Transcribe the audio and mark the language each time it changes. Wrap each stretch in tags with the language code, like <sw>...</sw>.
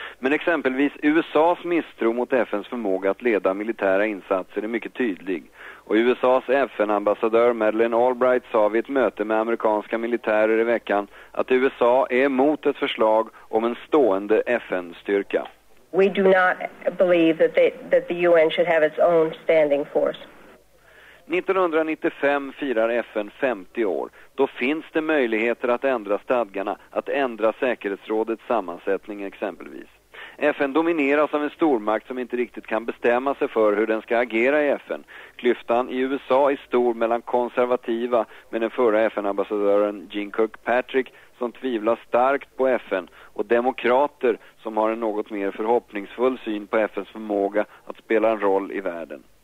<sv>Men exempelvis USA:s misstro mot FN:s förmåga att leda militära insatser är mycket tydlig. Och USA:s FN-ambassadör Madeleine Albright sa vid ett möte med amerikanska militärer i veckan att USA är emot ett förslag om en stående FN-styrka.</sv> <en>We do not believe that the UN should have its own standing force.</en> <sv>1995 firar FN 50 år. Då finns det möjligheter att ändra stadgarna, att ändra säkerhetsrådets sammansättning exempelvis. FN domineras av en stormakt som inte riktigt kan bestämma sig för hur den ska agera i FN. Klyftan i USA är stor mellan konservativa, med den förra FN-ambassadören Gene Kirkpatrick som tvivlar starkt på FN, och demokrater som har en något mer förhoppningsfull syn på FNs förmåga att spela en roll i världen.</sv>